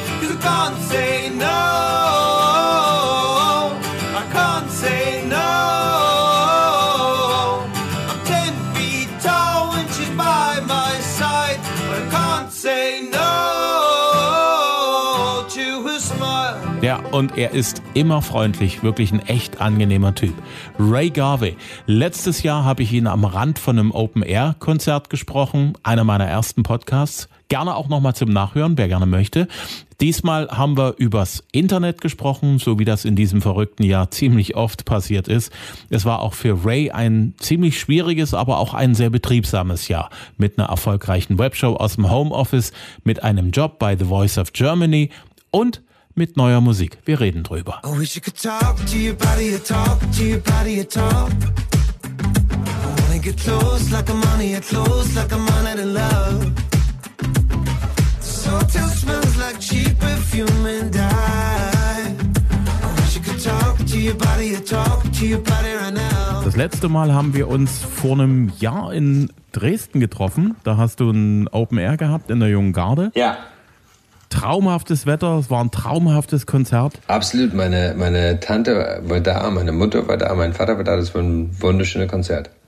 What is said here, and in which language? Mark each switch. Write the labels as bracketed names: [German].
[English] Cause I can't say no. I can't say no. I'm 10 feet tall and she's by my side. But I can't say no to her smile. [German] Ja, und er ist immer freundlich, wirklich ein echt angenehmer Typ. Ray Garvey. Letztes Jahr habe ich ihn am Rand von einem Open-Air-Konzert gesprochen, einer meiner ersten Podcasts. Gerne auch nochmal zum Nachhören, wer gerne möchte. Diesmal haben wir übers Internet gesprochen, so wie das in diesem verrückten Jahr ziemlich oft passiert ist. Es war auch für Ray ein ziemlich schwieriges, aber auch ein sehr betriebsames Jahr. Mit einer erfolgreichen Webshow aus dem Homeoffice, mit einem Job bei The Voice of Germany und mit neuer Musik. Wir reden drüber. [English] I wish I could talk to your body, a talk to your body, a talk. I wanna get close like a money, a close like a man out of love. This hotel smells like cheap perfume and I wish I could talk to your body, a talk to your body right now. [German] Das letzte Mal haben wir uns vor einem Jahr in Dresden getroffen. Da hast du ein Open Air gehabt in der Jungen Garde. Ja. Traumhaftes Wetter, es war ein traumhaftes Konzert. Absolut, meine Tante war da, meine Mutter war da, mein Vater war da, das war ein wunderschönes Konzert.